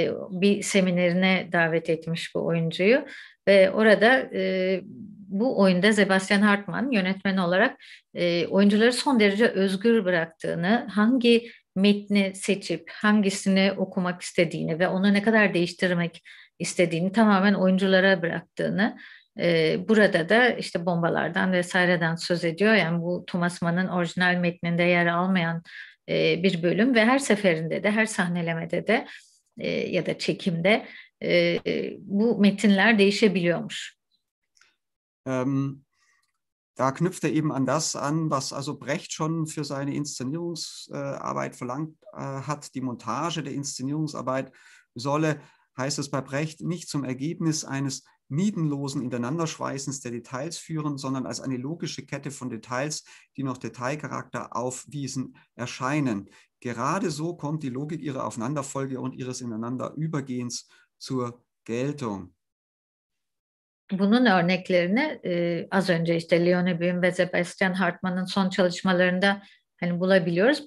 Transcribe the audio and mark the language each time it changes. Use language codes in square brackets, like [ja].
[tr] Bir seminerine davet etmiş bu oyuncuyu. Ve orada bu oyunda Sebastian Hartmann yönetmen olarak oyuncuları son derece özgür bıraktığını, hangi metni seçip hangisini okumak istediğini ve onu ne kadar değiştirmek istediğini tamamen oyunculara bıraktığını, burada da işte bombalardan vesaireden söz ediyor. Yani bu Thomas Mann'ın orijinal metninde yer almayan bir bölüm ve her seferinde de, her sahnelemede de ya da çekimde bu metinler değişebiliyormuş. [de] Da knüpft er eben an das an, was also Brecht schon für seine Inszenierungsarbeit verlangt hat, die Montage der Inszenierungsarbeit solle, heißt es bei Brecht, nicht zum Ergebnis eines niedenlosen Ineinanderschweißens der Details führen, sondern als eine logische Kette von Details, die noch Detailcharakter aufwiesen, erscheinen. Gerade so kommt die Logik ihrer Aufeinanderfolge und ihres Ineinanderübergehens zur Geltung. [tr] Bunun örneklerini az önce işte Leone Böhm ve Sebastian Hartmann'ın son çalışmalarında hani bulabiliyoruz.